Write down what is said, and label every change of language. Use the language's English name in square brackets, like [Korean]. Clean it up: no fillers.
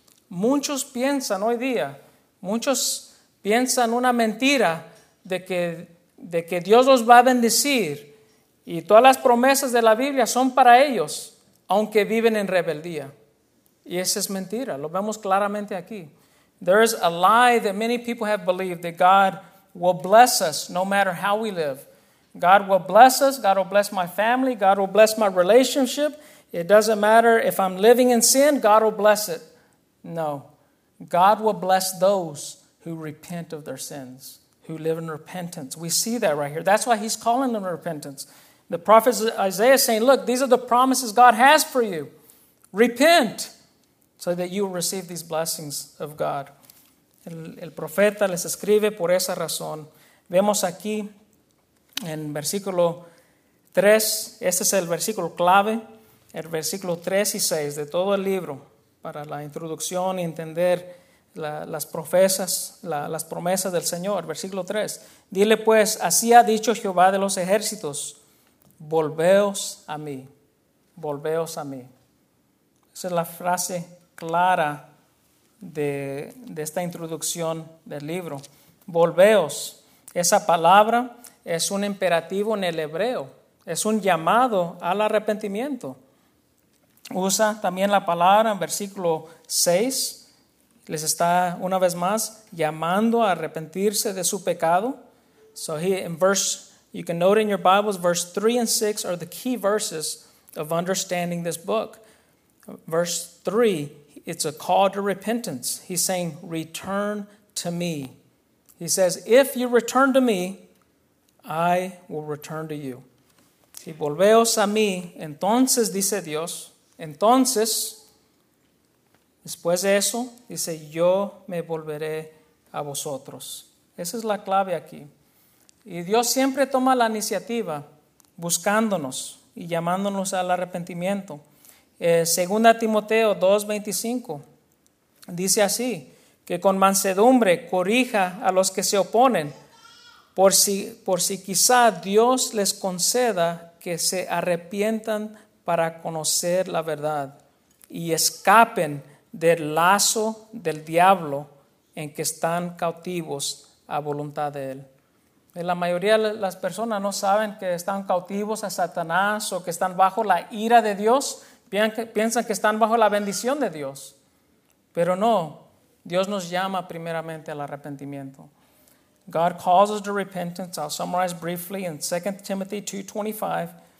[Spanish] Muchos piensan hoy día, muchos piensan una mentira de que Dios los va a bendecir y todas las promesas de la Biblia son para ellos, aunque viven en rebeldía. Y esa es mentira, lo vemos claramente aquí. [English] There is a lie that many people have believed that God will bless us no matter how we live. God will bless us. God will bless my family. God will bless my relationship. It doesn't matter if I'm living in sin. God will bless it. No. God will bless those who repent of their sins, who live in repentance. We see that right here. That's why he's calling them to repentance. The prophet Isaiah is saying, look, these are the promises God has for you. Repent so that you will receive these blessings of God. [Spanish] El profeta les escribe por esa razón. Vemos aquí en versículo 3, este es el versículo clave. el versículo 3 y 6 de todo el libro para la introducción y entender las promesas del Señor. Versículo 3. Dile pues, así ha dicho Jehová de los ejércitos, volveos a mí, volveos a mí. Esa es la frase clara de esta introducción del libro. Volveos. Esa palabra es un imperativo en el hebreo. Es un llamado al arrepentimiento. Usa también la palabra en versículo 6. Les está una vez más llamando a arrepentirse de su pecado. [English] So here in verse, you can note in your Bibles, verse 3 and 6 are the key verses of understanding this book. Verse 3, it's a call to repentance. He's saying, return to me. He says, if you return to me, I will return to you. [Spanish] Si volveos a mí, entonces, dice Dios, entonces, después de eso, dice, yo me volveré a vosotros. Esa es la clave aquí. Y Dios siempre toma la iniciativa buscándonos y llamándonos al arrepentimiento. Segunda Timoteo 2:25 dice así, que con mansedumbre corrija a los que se oponen, por si quizá Dios les conceda que se arrepientan para conocer la verdad y escapen del lazo del diablo en que están cautivos a voluntad de él. La mayoría de las personas no saben que están cautivos a Satanás o que están bajo la ira de Dios. Piensan que están bajo la bendición de Dios. Pero no, Dios nos llama primeramente al arrepentimiento. [English] God calls us to repentance. I'll summarize briefly in 2 Timothy 2:25.